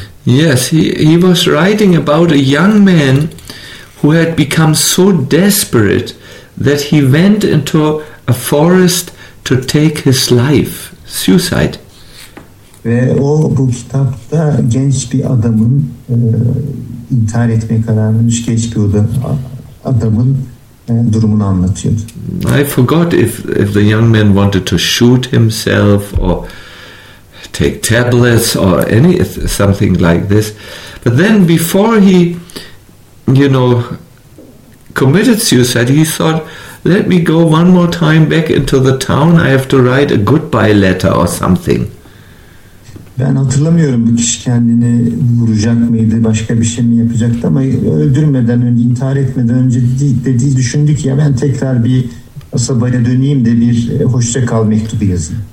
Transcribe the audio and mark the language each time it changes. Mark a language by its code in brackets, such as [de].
[en] Yes, he was writing about a young man who had become so desperate that he went into a forest to take his life, suicide. [tr] Ve o bu kitapta genç bir adamın intihar etmeye karar vermiş genç bir adamın durumunu anlatıyordu. [en] I forgot if the young man wanted to shoot himself or take tablets or something like this. But then before he, you know, committed suicide, he thought, let me go one more time back into the town, I have to write a goodbye letter or something. [tr] Ben hatırlamıyorum bu kişi kendini vuracak mıydı, başka bir şey mi yapacaktı ama öldürmeden önce, intihar etmeden önce dedi düşündü ki ya ben tekrar bir sabaya döneyim de bir hoşça kal mektubu yazayım.